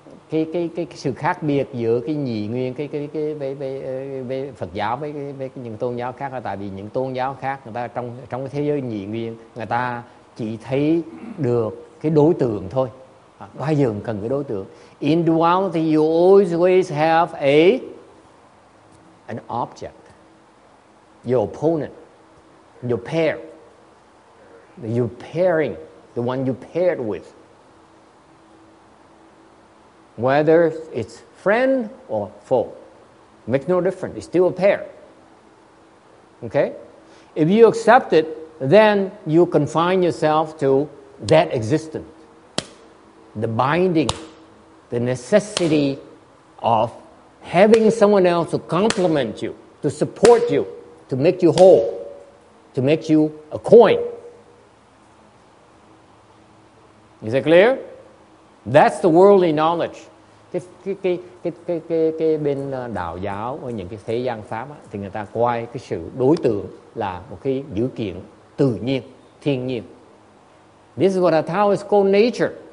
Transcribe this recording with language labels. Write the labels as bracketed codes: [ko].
[vi] Cái sự khác biệt giữa cái nhị nguyên cái Phật giáo với những tôn giáo khác là tại vì những tôn giáo khác người ta trong cái thế giới nhị nguyên người ta chỉ thấy được cái đối tượng thôi, bao giờ cần cái đối tượng. [en] In duality you always have an object, your opponent, your pair, you pairing, the one you paired with. Whether it's friend or foe, makes no difference. It's still a pair. Okay? If you accept it, then you confine yourself to that existence, the binding, the necessity of having someone else to compliment you, to support you, to make you whole, to make you a coin. Is it clear? That's the worldly knowledge. [vi] Cái bên đạo giáo ở những cái thế gian pháp á, thì người ta coi cái sự đối tượng là một cái dữ kiện tự nhiên, thiên nhiên. [en] This is what a Tao is called nature.